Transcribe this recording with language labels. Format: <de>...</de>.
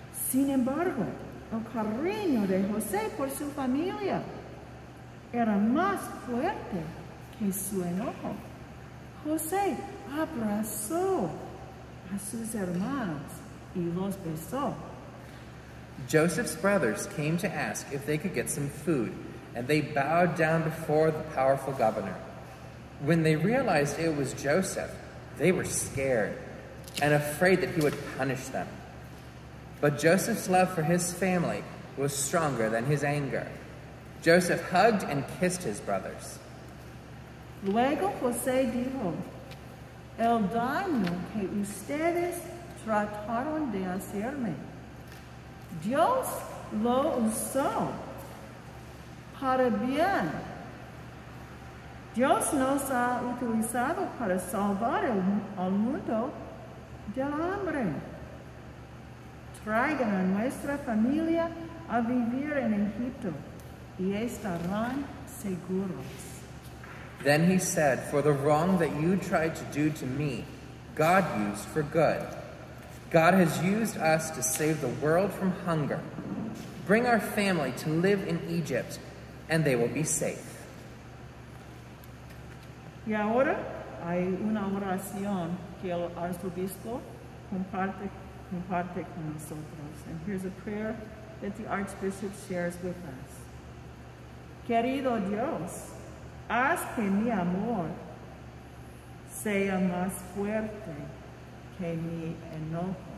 <es>Sin embargo, el cariño de José por su familia era más fuerte que su enojo. José abrazó a sus hermanos y los besó.</es> <en>Joseph's brothers came to ask if they could get some food, and they bowed down before the powerful governor. When they realized it was Joseph, they were scared and afraid that he would punish them. But Joseph's love for his family was stronger than his anger. Joseph hugged and kissed his brothers.</en> <es>Luego José dijo, el daño que ustedes trataron de hacerme, Dios lo usó para bien. Dios nos ha utilizado para salvar el mundo del hambre. Traigan a nuestra familia a vivir en Egipto y estarán seguros.</es> <en>Then he said, for the wrong that you tried to do to me, God used for good. God has used us to save the world from hunger. Bring our family to live in Egypt, and they will be safe.</en> <es>Y ahora hay una oración que el arzobispo comparte con nosotros.</es> <en>And here's a prayer that the archbishop shares with us.</en> <es>Querido Dios, haz que mi amor sea más fuerte que mi enojo.</es>